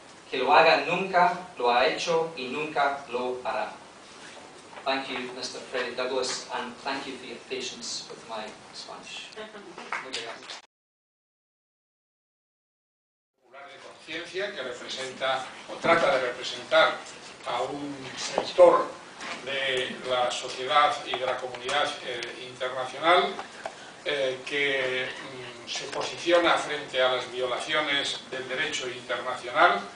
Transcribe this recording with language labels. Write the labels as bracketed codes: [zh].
[es] Que lo haga nunca lo ha hecho y nunca lo hará. [en] Thank you, Mr. Frederick Douglass, and thank you for your patience with my Spanish. [es] ...de conciencia que representa o trata de representar a un sector de la sociedad y de la comunidad internacional que se posiciona frente a las violaciones del derecho internacional.